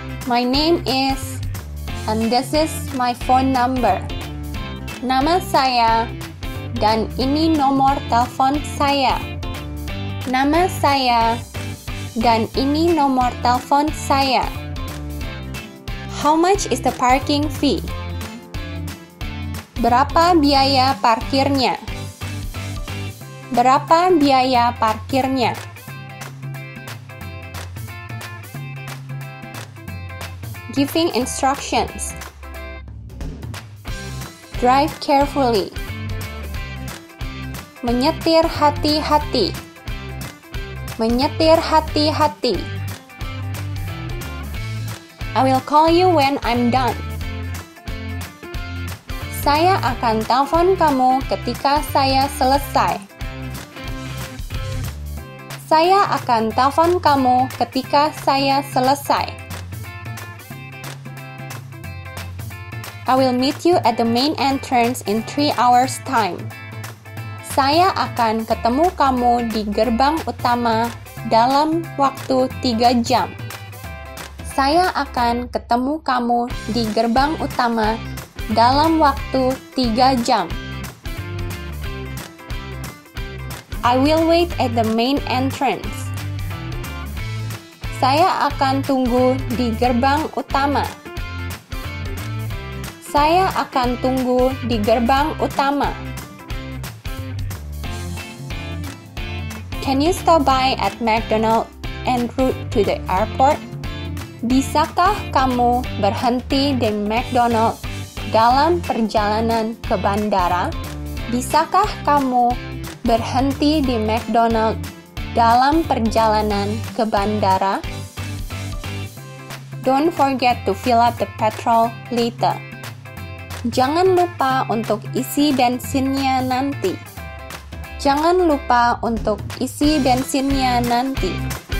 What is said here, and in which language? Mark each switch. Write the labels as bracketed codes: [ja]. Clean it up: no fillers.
[en] My name is and this is my phone number. [id] Nama saya dan ini nomor telepon saya. Nama saya dan ini nomor telepon saya. [en] How much is the parking fee? [id] Berapa biaya parkirnya? Berapa biaya parkirnya? [en] Giving instructions. Drive carefully. [id] Menyetir hati-hati. Menyetir hati-hati. [en] I will call you when I'm done. [id] Saya akan telepon kamu ketika saya selesai. Saya akan telepon kamu ketika saya selesai. [en] I will meet you at the main entrance in 3 hours time. [id] Saya akan ketemu kamu di gerbang utama dalam waktu 3 jam. Saya akan ketemu kamu di gerbang utama dalam waktu 3 jam. [en] I will wait at the main entrance. [id] Saya akan tunggu di gerbang utama. Saya akan tunggu di gerbang utama. [en] Can you stop by at McDonald's en route to the airport? [id] Bisakah kamu berhenti di McDonald's dalam perjalanan ke bandara? Bisakah kamu berhenti di McDonald's dalam perjalanan ke bandara? [en] Don't forget to fill up the petrol later. [id] Jangan lupa untuk isi bensinnya nanti. Jangan lupa untuk isi bensinnya nanti.